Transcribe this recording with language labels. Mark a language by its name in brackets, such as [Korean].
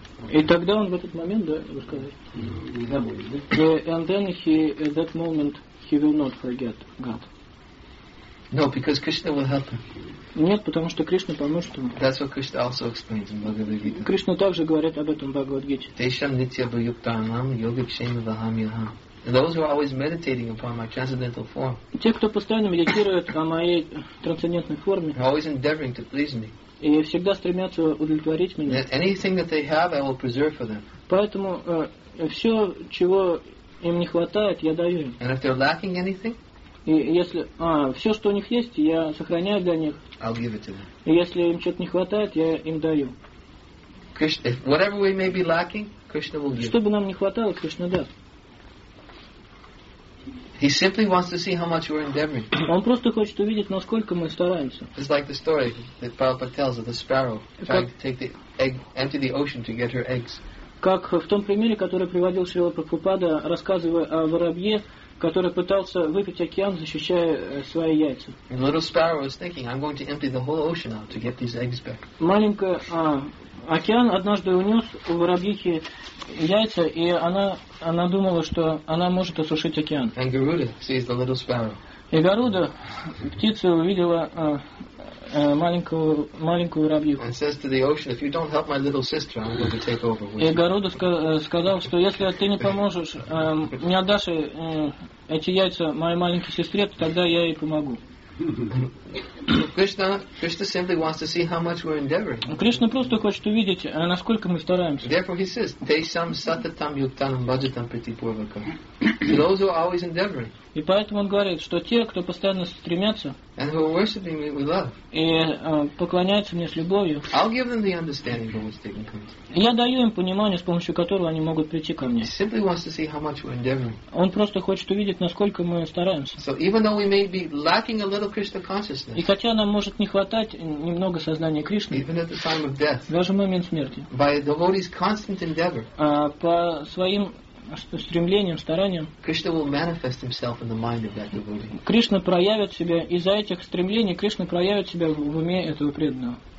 [Russian] И тогда он в этот момент, да, вы сказали? Не забудет, да? [English] And then he, at that moment, he will not forget God. No, because Krishna will help him. [Russian] Нет, потому что Кришна поможет ему. [English] That's what Krishna also explains in Bhagavad-gita. [Russian] Кришна также говорит об этом в Бхагавад-гите. [Sanskrit] Тешам нитья баюктанам йога кшема вахам йохам. [English] Those who are always meditating upon my transcendental form. [Russian] Те, кто постоянно медитирует о моей трансцендентной форме. [English] Always endeavoring to please me. [Russian] И всегда стремятся удовлетворить меня. [English] Anything that they have, I will preserve for them. [Russian] Поэтому все, чего им не хватает, я даю им. [English] And if they're lacking anything. [Russian] И если все, что у них есть, я сохраняю для них. [English] I'll give it to them. [Russian] И если им что-то не хватает, я им даю. [English] Krishna, if whatever we may be lacking, Krishna will give. [Russian] Что бы нам не хватало, Кришна даст. [English] He simply wants to see how much we're endeavoring. [Russian] Он просто хочет увидеть, насколько мы стараемся. [English] It's like the story that Prabhupada tells of the sparrow trying to take the egg, empty the ocean to get her eggs. [Russian] Как в том примере, который приводил Шрила Прабхупада, рассказывая о воробье, который пытался выпить океан, защищая свои яйца. [English] Little sparrow was thinking, I'm going to empty the whole ocean out to get these eggs back. [Russian] Маленькая океан однажды унес у воробьихи яйца, и она думала, что она может осушить океан. [English] And Garuda sees the little sparrow. [Russian] И Гаруда, птица, увидела маленькую воробьиху. [English] And says to the ocean, if you don't help my little sister, I'm going to take over. [Russian] И Гаруда сказал, что если ты не поможешь, не отдашь эти яйца моей маленькой сестре, то тогда я ей помогу. [English] Krishna simply wants to see how much we're endeavoring. [Russian] Кришна просто хочет увидеть, насколько мы стараемся. [English] Therefore he says, [Sanskrit] Tesham satatam yuktanam bhajatam pratipurvakam. [English] Those who are always endeavoring. [Russian] И поэтому он говорит, что те, кто постоянно стремятся, [English] and who are worshiping me with love. [Russian] И поклоняются мне с любовью. [English] I'll give them the understanding of what's taking place. [Russian] Я даю им понимание, с помощью которого они могут прийти ко мне. [English] He simply wants to see how much we're endeavoring. [Russian] Он просто хочет увидеть, насколько мы стараемся. [English] So even though we may be lacking a little Krishna consciousness. [Russian] И хотя нам может не хватать немного сознания Кришны, [English] even at the time of death, [Russian] даже в момент смерти, [English] by the devotee's constant endeavor, [Russian] по своим стремлениям, стараниям, [English] Krishna will manifest himself in the mind of that devotee. [Russian] Кришна проявит себя, из-за этих стремлений Кришна проявит себя в уме этого преданного.